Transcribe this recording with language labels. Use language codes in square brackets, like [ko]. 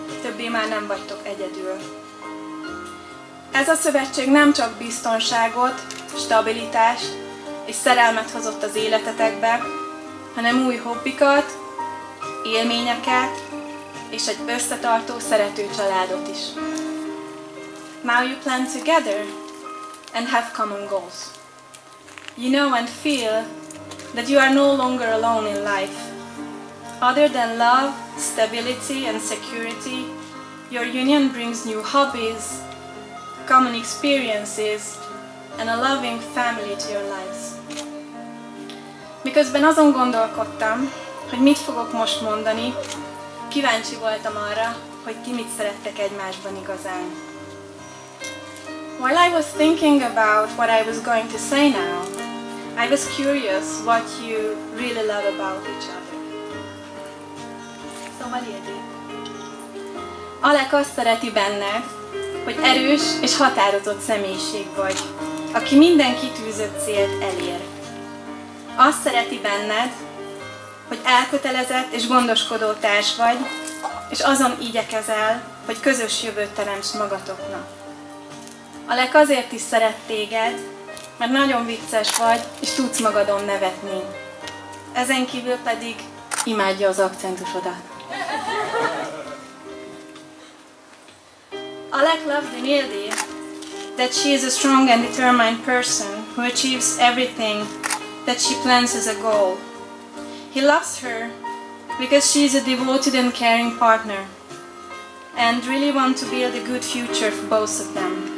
[hu] többé már nem vagytok egyedül. Ez a szövetség nem csak biztonságot, stabilitást és szerelmet hozott az életetekbe, hanem új hobbikat, élményeket és egy összetartó, szerető családot is. [en] Now you plan together and have common goals. You know and feel that you are no longer alone in life. Other than love, stability and security, your union brings new hobbies, common experiences and a loving family to your lives. [hu] Miközben azon gondolkodtam, hogy mit fogok most mondani, kíváncsi voltam arra, hogy ti mit szerettek egymásban igazán. [en] While I was thinking about what I was going to say now, I was curious what you really love about each other. [hu] Szóval érdik. Alek azt szereti benned, hogy erős és határozott személyiség vagy, aki minden kitűzött célt elér. Azt szereti benned, hogy elkötelezett és gondoskodó társ vagy, és azon igyekezel, hogy közös jövőt teremts magatoknak. Alek azért is szeret téged, mert nagyon vicces vagy, és tudsz magadon nevetni. Ezen kívül pedig imádja az akcentusodat. [en] Alek loves Dinildi, that she is a strong and determined person who achieves everything that she plans as a goal. He loves her because she is a devoted and caring partner and really wants to build a good future for both of them.